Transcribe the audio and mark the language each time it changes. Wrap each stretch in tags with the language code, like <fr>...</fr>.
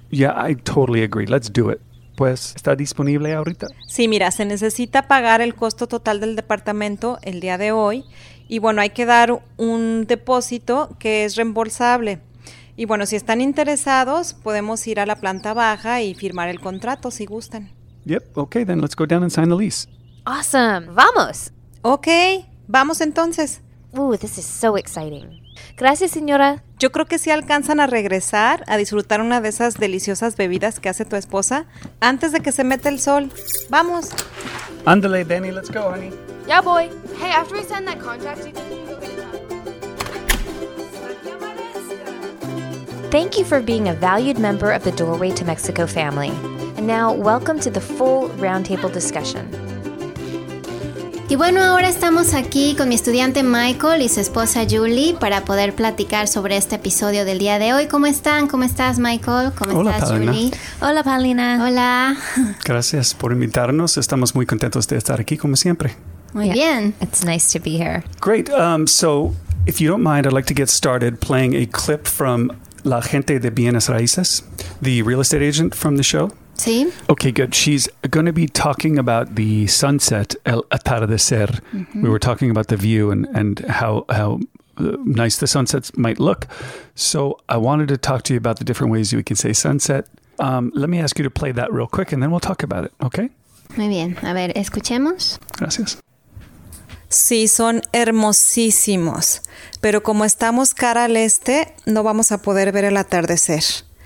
<en>Yeah, I totally agree. Let's do it.</en> <es>pues, ¿está disponible ahorita? Sí, mira, se necesita pagar el costo total del departamento el día de hoy. Y bueno, hay que dar un depósito que es reembolsable. Y bueno, si están interesados, podemos ir a la planta baja y firmar el contrato, si gustan.</es> <en>Yep, okay, then let's go down and sign the lease.</en> <es>Awesome, vamos. Okay, vamos entonces.</es> <en>Ooh, this is so exciting.</en> <es>Gracias, señora. Yo creo que sí alcanzan a regresar a disfrutar una de esas deliciosas bebidas que hace tu esposa antes de que se meta el sol. Vamos. Ándale,</es> <en>Danny, let's go, honey.</en> <es>Ya voy.</es> <en>Hey, after we sign that contract, you can go get it. Thank you for being a valued member of the Doorway to Mexico family. And now, welcome to the full roundtable discussion.</en> <es>Y bueno, ahora estamos aquí con mi estudiante Michael y su esposa Julie para poder platicar sobre este episodio del día de hoy. ¿Cómo están? ¿Cómo estás, Michael? ¿Cómo Hola, estás, Paulina. Julie? Hola, Paulina. Hola. Gracias por invitarnos. Estamos muy contentos de estar aquí, como siempre. Muy yeah. bien.</es> <en>It's nice to be here. Great. So, if you don't mind, I'd like to get started playing a clip from La Gente de Bienes Raíces, the real estate agent from the show. Sí. Okay, good. She's going to be talking about the sunset, el atardecer. Mm-hmm. We were talking about the view and how nice the sunsets might look. So I wanted to talk to you about the different ways we can say sunset. Let me ask you to play that real quick and then we'll talk about it, okay?</en> <es>Muy bien. A ver, escuchemos. Gracias. Sí, son hermosísimos, pero como estamos cara al este, no vamos a poder ver el atardecer.</es>